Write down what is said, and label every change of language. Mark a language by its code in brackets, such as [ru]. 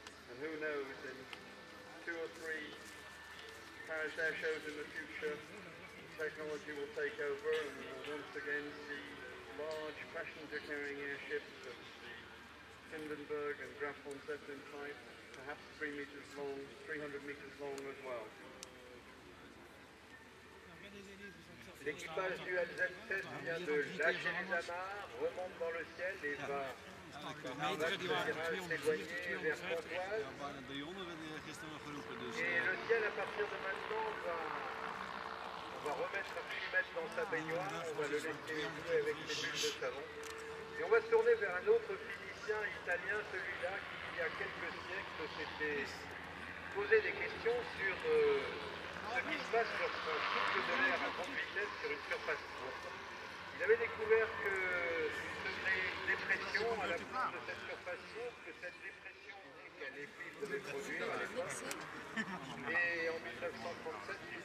[en] And who knows, in two or three Paris air shows in the future, technology will take over and we'll once again see large passenger carrying airships of the Hindenburg and Graf von Zeppelin type, perhaps 3 meters long, 300 meters long as well. [fr] L'équipage du LZN vient de lâcher les amarres, remonte dans le ciel et va s'éloigner vers Pontoise. Et le ciel à partir de maintenant va, on va remettre Archimède dans sa baignoire, on va le laisser jouer avec ses bulles de savon. Et on va se tourner vers un autre physicien italien, celui-là qui il y a quelques siècles s'était posé des questions sur... ce qui se passe lorsqu'on souffle de l'air à grande vitesse sur une surface plate. Il avait découvert que ce serait une dépression à la base de cette surface plate, que cette dépression qu'elle devait produire à l'époque. Et en 1937,